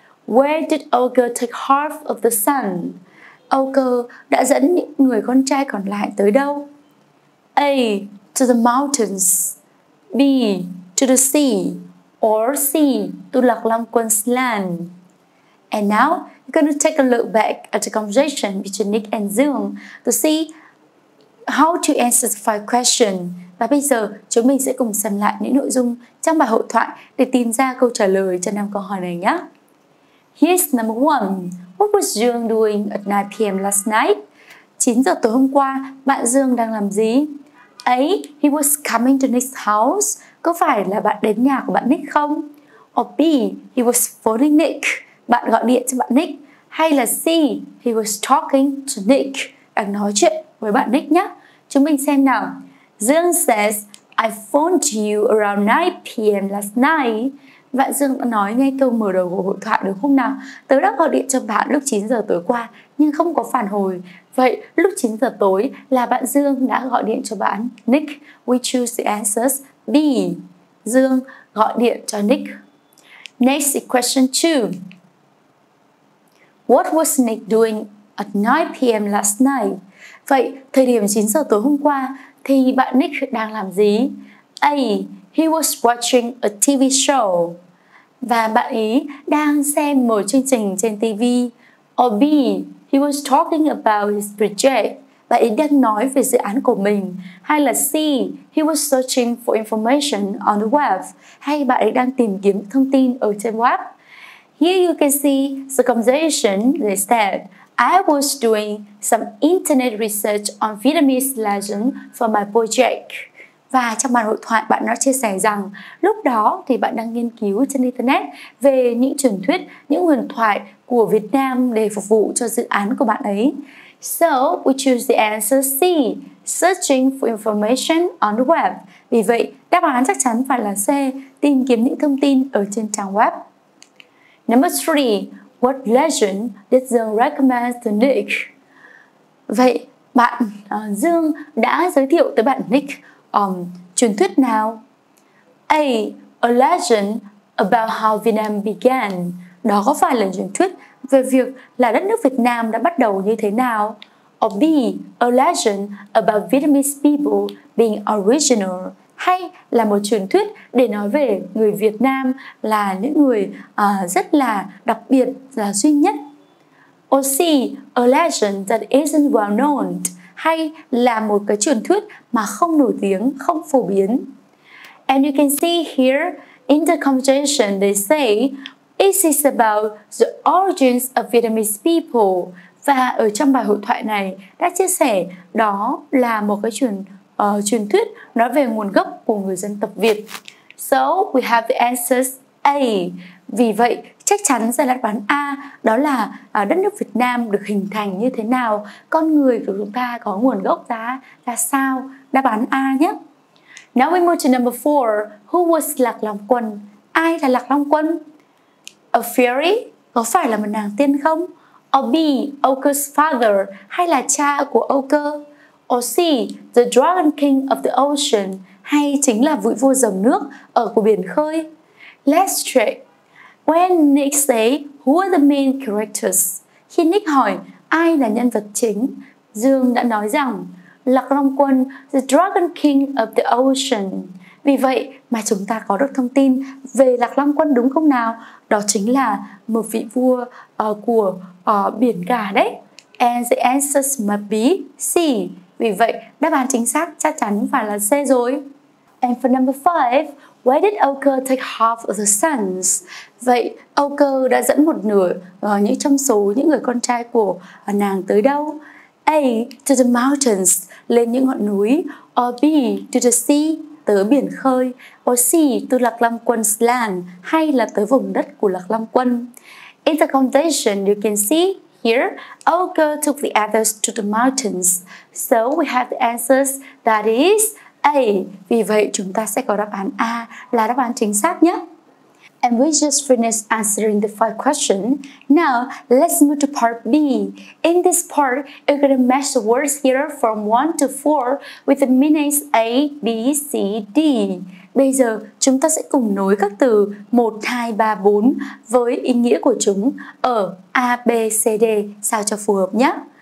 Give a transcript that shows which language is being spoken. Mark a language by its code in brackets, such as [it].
[en] Where did Ogre take half of the sun? [vi] Ogre đã dẫn những người con trai còn lại tới đâu? [en] A. To the mountains. B. To the sea. Or C. To Lạc Long Quân's land. And now, we're going to take a look back at the conversation between Nick and Dương to see how to answer the 5 questions. [vi] Và bây giờ, chúng mình sẽ cùng xem lại những nội dung trong bài hội thoại để tìm ra câu trả lời cho 5 câu hỏi này nhé. [en] Here's number 1. What was Dương doing at 9 p.m. last night? [vi] 9 giờ tối hôm qua, bạn Dương đang làm gì? A. [en] He was coming to Nick's house. [vi] Có phải là bạn đến nhà của bạn Nick không? [en] Or B. He was phoning Nick. [vi] Bạn gọi điện cho bạn Nick. Hay là C. [en] He was talking to Nick. [vi] Đang nói chuyện với bạn Nick nhé. Chúng mình xem nào. [en] Dương says, I phoned you around 9 p.m. last night. [vi] Bạn Dương đã nói ngay câu mở đầu của hội thoại đúng không nào? Tớ đã gọi điện cho bạn lúc 9 giờ tối qua, nhưng không có phản hồi. Vậy, lúc 9 giờ tối là bạn Dương đã gọi điện cho bạn Nick. [en] We choose the answers B. [vi] Dương gọi điện cho Nick. [en] Next question 2. What was Nick doing at 9 p.m. last night? [vi] Vậy, thời điểm 9 giờ tối hôm qua thì bạn Nick đang làm gì? A. [en] He was watching a TV show. [vi] Và bạn ý đang xem một chương trình trên TV. [en] Or B. He was talking about his project. [vi] Bạn ý đang nói về dự án của mình. Hay là C. [en] He was searching for information on the web. [vi] Hay bạn ý đang tìm kiếm thông tin ở trên web. [en] Here you can see the conversation they said. I was doing some internet research on Vietnamese legend for my project. [vi] Và trong bản hội thoại bạn đã chia sẻ rằng lúc đó thì bạn đang nghiên cứu trên internet về những truyền thuyết, những huyền thoại của Việt Nam để phục vụ cho dự án của bạn ấy. [en] So we choose the answer C, searching for information on the web. [vi] Vì vậy, đáp án chắc chắn phải là C, tìm kiếm những thông tin ở trên trang web. [en] Number 3, what legend did Dương recommend to Nick? [vi] Vậy, bạn Dương đã giới thiệu tới bạn Nick truyền thuyết nào? A. [en] A legend about how Vietnam began. [vi] Đó có phải là truyền thuyết về việc là đất nước Việt Nam đã bắt đầu như thế nào? [en] Or B. A legend about Vietnamese people being original. [vi] Hay là một truyền thuyết để nói về người Việt Nam là những người rất là đặc biệt, là duy nhất? [en] Or C. A legend that isn't well known. [vi] Hay là một cái truyền thuyết mà không nổi tiếng, không phổ biến. [en] And you can see here in the conversation they say it is about the origins of Vietnamese people. [vi] Và ở trong bài hội thoại này đã chia sẻ đó là một cái truyền thuyết nói về nguồn gốc của người dân tộc Việt. [en] So we have the answers A. [vi] Vì vậy, chắc chắn sẽ là đáp án A, đó là đất nước Việt Nam được hình thành như thế nào, con người của chúng ta có nguồn gốc ra là sao? Đáp án A nhé. [en] Now we move to number 4. Who was Lạc Long Quân? [vi] Ai là Lạc Long Quân? [en] A fairy? [vi] Có phải là một nàng tiên không? [en] Or B. Ogre's father? [vi] Hay là cha của Ogre? [en] Or C. The dragon king of the ocean? [vi] Hay chính là vị vua dòng nước ở của biển khơi? [en] Let's check. When Nick say, who are the main characters? [vi] Khi Nick hỏi, ai là nhân vật chính? Dương đã nói rằng, Lạc Long Quân, [en] the dragon king of the ocean. [vi] Vì vậy mà chúng ta có được thông tin về Lạc Long Quân đúng không nào? Đó chính là một vị vua của biển cả đấy. [en] And the answer must be C. [vi] Vì vậy, đáp án chính xác chắc chắn phải là C rồi. [en] And for number 5, where did Ochre take half of the sons? [vi] Vậy, Ochre đã dẫn một nửa những trong số những người con trai của nàng tới đâu? A. [en] To the mountains, [vi] lên những ngọn núi. [en] Or B. To the sea, [vi] tới biển khơi. [en] Or C. To Lạc Long Quân's land, [vi] hay là tới vùng đất của Lạc Long Quân. [en] In the conversation, you can see here, Ochre took the others to the mountains. So we have the answers, that is A. [vi] Vì vậy, chúng ta sẽ có đáp án A là đáp án chính xác nhé. [en] And we just finished answering the 5 questions. Now, let's move to part B. In this part, you're going to match the words here from 1 to 4 with the meanings A, B, C, D. [vi] Bây giờ, chúng ta sẽ cùng nối các từ 1, 2, 3, 4 với ý nghĩa của chúng ở A, B, C, D sao cho phù hợp nhé.